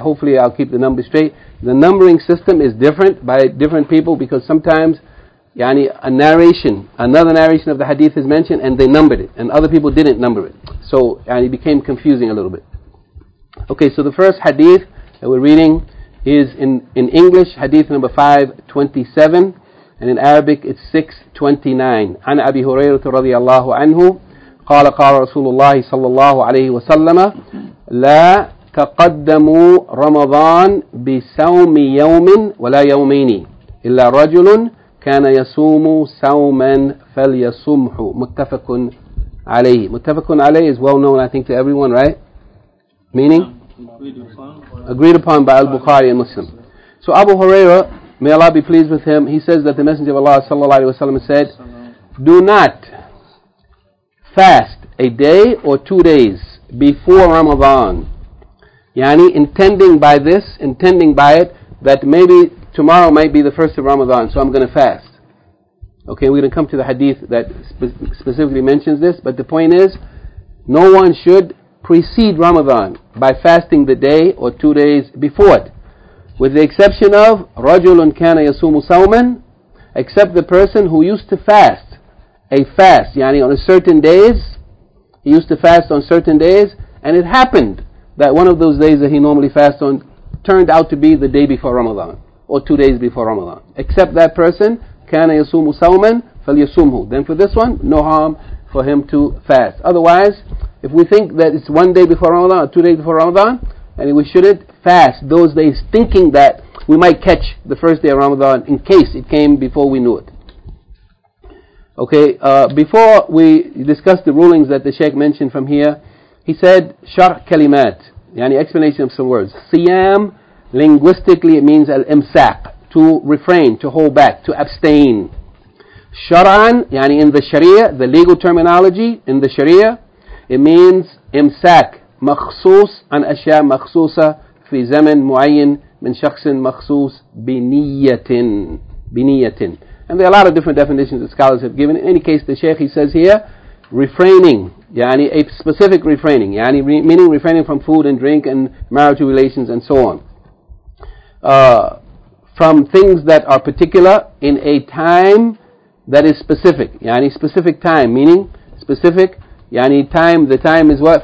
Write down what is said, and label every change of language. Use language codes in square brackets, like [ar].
[en] Hopefully I'll keep the number straight. The numbering system is different by different people, because sometimes, yani, a narration, another narration of the hadith is mentioned and they numbered it, and other people didn't number it. So, yani, it became confusing a little bit. Okay, so the first hadith that we're reading is in English, hadith number 527. And in Arabic it's 629. [ar] عن أبي هريرة رضي الله عنه قال قال رسول الله صلى الله عليه وسلم لا تقدموا رمضان بصوم يوم ولا يومين إلا رجل كان يصوم صوما فليصمه. متفق عليه. [en] متفق عليه is well known, I think, to everyone, right? Meaning? Agreed upon by Al-Bukhari and Muslim. So Abu Huraira, may Allah be pleased with him, he says that the Messenger of Allah sallallahu alayhi wa sallam said, do not fast a day or 2 days before Ramadan. Yani, intending by it, that maybe tomorrow might be the first of Ramadan, so I'm going to fast. Okay, we're going to come to the hadith that specifically mentions this, but the point is, no one should precede Ramadan by fasting the day or 2 days before it. With the exception of [ar] رَجُلٌ كَانَ يَسُومُ سَوْمًا, [en] except the person who used to fast a fast, yani on a certain days, he used to fast on certain days, and it happened that one of those days that he normally fasts on turned out to be the day before Ramadan, or 2 days before Ramadan. Except that person, [ar] كَانَ يَسُومُ سَوْمًا فَلْيَسُومُهُ. [en] Then for this one, no harm for him to fast. Otherwise, if we think that it's 1 day before Ramadan, or 2 days before Ramadan, and we shouldn't fast those days thinking that we might catch the first day of Ramadan in case it came before we knew it. Okay, before we discuss the rulings that the Shaykh mentioned from here, he said, [ar] شرح كلمات, [en] yani explanation of some words. Siyam, linguistically it means al-imsaq, to refrain, to hold back, to abstain. Sharan, yani in the Sharia, the legal terminology in the Sharia, it means imsaq. [ar] مخصوص عن أشياء مخصوصة في زمن معين من شخص مخصوص بنية. [en] And there are a lot of different definitions that scholars have given. In any case, the Shaykh, he says here, refraining, yani a specific refraining, yani meaning refraining from food and drink and marital relations and so on. From things that are particular in a time that is specific, yani specific time, meaning specific, yani time, the time is what?